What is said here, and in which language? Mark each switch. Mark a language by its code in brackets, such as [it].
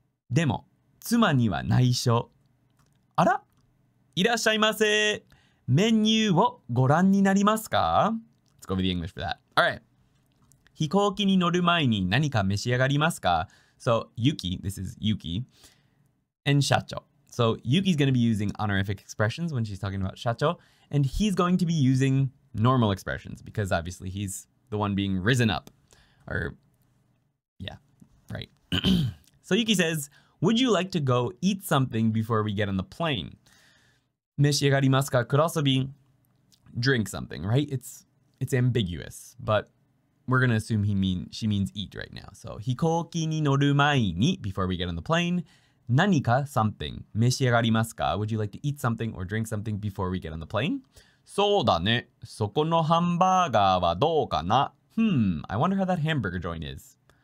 [ja] でも、妻には内緒。あら、いらっしゃいませ。メニューをご覧になりますか? [en] Let's go over the English for that. Alright. [ja] 飛行機に乗る前に何か召し上がりますか? [en] So, Yuki, this is Yuki, and 社長. So Yuki's going to be using honorific expressions when she's talking about Shacho, and he's going to be using normal expressions because obviously he's the one being risen up. Or, yeah, right. So Yuki says, would you like to go eat something before we get on the plane? [ja] 召し上がりますか [en] could also be drink something, right? It's ambiguous, but we're going to assume she means eat right now. So [ja] 飛行機に乗る前に, [en] before we get on the plane, 何か something, [ja] 召し上がりますか? [en] Would you like to eat something or drink something before we get on the plane? [ja] そうだね。そこのハンバーガーはどうかな? [en] Hmm, I wonder how that hamburger joint is.